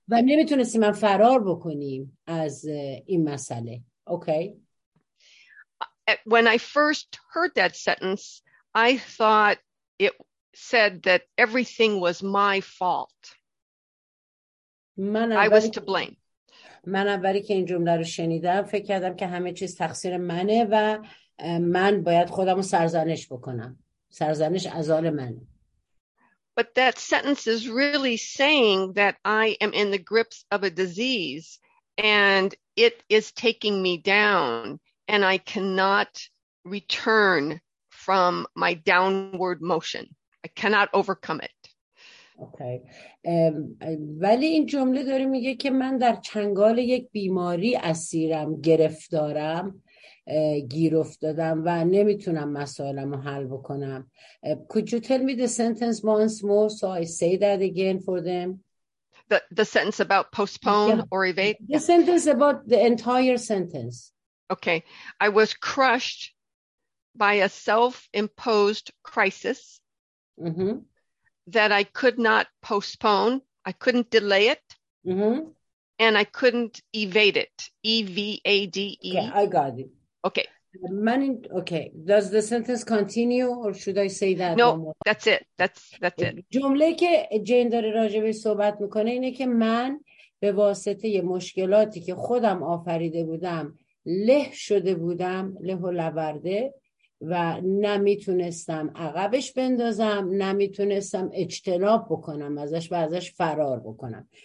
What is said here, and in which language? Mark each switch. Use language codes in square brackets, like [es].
[fa] و نمیتونستیم هم فرار بکنیم از این مسئله. Okay. [en] When I first heard that sentence, I thought it said that everything was my fault. I was to blame. [fa] من اولی که این جمله رو شنیدم فکر کردم که همه چیز تقصیر منه و من باید خودم رو سرزنش بکنم. سرزنش از آن من. [en] But that sentence is really saying that I am in the grips of a disease and it is taking me down and I cannot return from my downward motion. I cannot overcome it. Okay. [fa] ولی این جمله داره میگه که من در چنگال یک بیماری اسیرم، گرفتارم، گیر افتادم و نمیتونم مسائلمو حل بکنم. [en] Could you tell me the sentence once more so I say that again for them? The sentence about postpone or evade? The sentence about the entire sentence. Okay. I was crushed by a self-imposed crisis. Mm-hmm. That I could not postpone, I couldn't delay it, mm-hmm. and I couldn't evade it. Evade. Okay, I got it. Okay. Okay. Does the sentence continue, or should I say that? No, that's it. That's it. [fa] جمله که جین داره راجبه صحبت میکنه اینه که من به واسطه مشکلاتی که خودم آفریده بودم له شده بودم، له و لورده. و نمیتونستم عقبش بندازم، نمیتونستم اجتناب بکنم ازش و ازش فرار بکنم.